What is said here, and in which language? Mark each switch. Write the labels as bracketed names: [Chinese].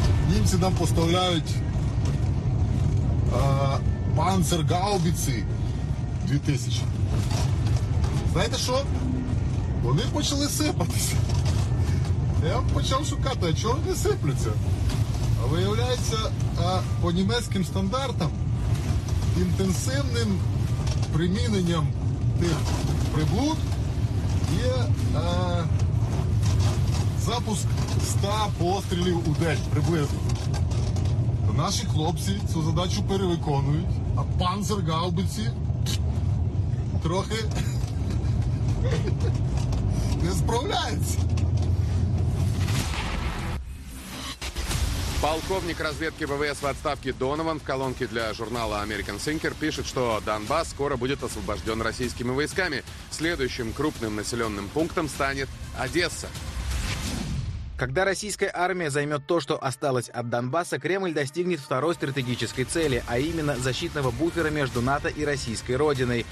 [Russian] Немцы нам поставляют панцергаубицы 2000. Знаете что? Они начали сыпаться. Я начал шукать, а чего они сыплются? [Ukrainian] А виявляється, по німецьким стандартам інтенсивним приміненням тих приблуд є запуск 100 пострілів у день приблизно. Наші хлопці цю задачу перевиконують, а панцергаубиці трохи не справляються. [Russian] Полковник разведки ВВС в отставке Донован в колонке для журнала American Thinker пишет, что Донбасс скоро будет освобожден российскими войсками. Следующим крупным населенным пунктом станет Одесса. Когда российская армия займет то, что осталось от Донбасса, Кремль достигнет второй стратегической цели, а именно защитного буфера между НАТО и российской родиной.